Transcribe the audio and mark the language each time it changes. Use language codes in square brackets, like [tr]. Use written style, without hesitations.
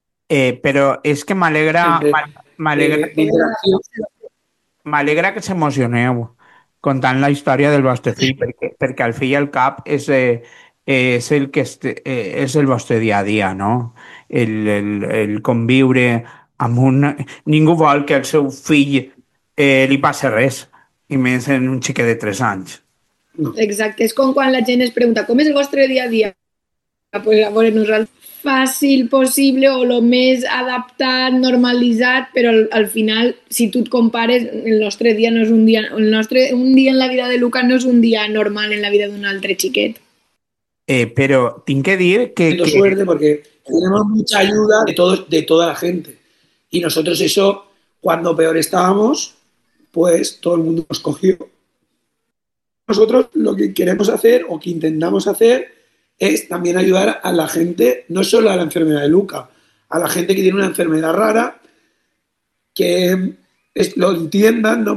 [es] Pero es que Siempre. De interacción. me alegra que se emocione con tan la historia del Bastecí, porque al fin y al cabo es el que es [ca] el vostre [es] día a día, ¿no? [ca] El convivre amb un... Ningú vol que el seu fill li passi res, i més en un xiquet de 3 anys. Exacte, és com quan la gent es pregunta com és el vostre dia a dia? Pues, a veure, nosaltres, fàcil possible o el més adaptat, normalitzat, però al final, si tu et compares, el nostre dia no és un dia, un dia en la vida de Luca no és un dia normal en la vida d'un altre xiquet. Però tinc que dir [es] Tengo suerte porque tenemos mucha ayuda de toda la gente. Y nosotros eso, cuando peor estábamos, pues todo el mundo nos cogió. Nosotros lo que queremos hacer o que intentamos hacer es también ayudar a la gente, no solo a la enfermedad de Luca, a la gente que tiene una enfermedad rara, que es, lo entiendan, ¿no?